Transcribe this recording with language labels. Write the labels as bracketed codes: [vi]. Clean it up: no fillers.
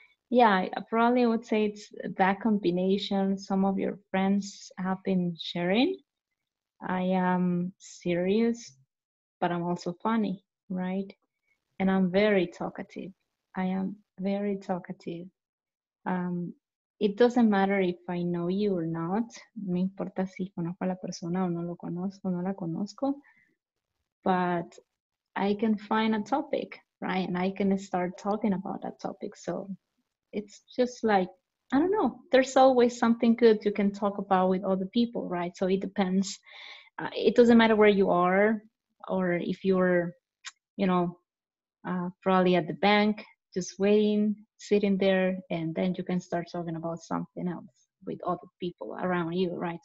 [en] Yeah, I probably would say it's that combination some of your friends have been sharing. I am serious, but I'm also funny, right? And I'm very talkative. I am very talkative. It doesn't matter if I know you or not. [es] No importa si conozco a la persona o no lo conozco, no la conozco. [en] But I can find a topic, right? And I can start talking about that topic. So it's just like, I don't know, there's always something good you can talk about with other people, right? So it depends. It doesn't matter where you are or if you're, you know, probably at the bank, just waiting, sitting there, and then you can start talking about something else with other people around you, right?